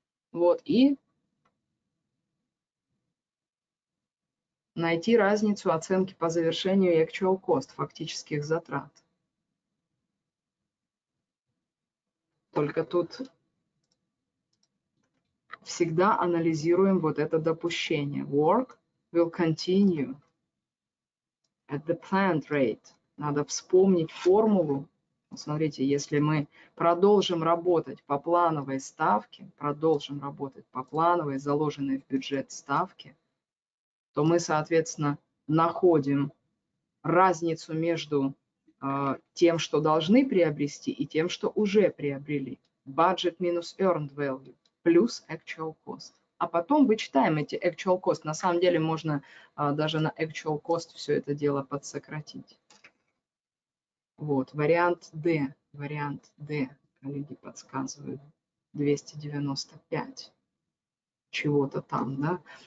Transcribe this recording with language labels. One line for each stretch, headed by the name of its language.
Russian: Вот, и найти разницу оценки по завершению и actual cost, фактических затрат. Только тут всегда анализируем вот это допущение.
English: Work will continue at the planned rate.
Russian: Надо вспомнить формулу. Смотрите, если мы продолжим работать по плановой ставке, продолжим работать по плановой, заложенной в бюджет ставке, то мы, соответственно, находим разницу между тем, что должны приобрести, и тем, что уже приобрели. Budget минус earned value плюс actual cost. А потом вычитаем эти actual cost. На самом деле можно даже на actual cost все это дело подсократить. Вот, вариант D. Вариант D, коллеги подсказывают. 295 чего-то там, да?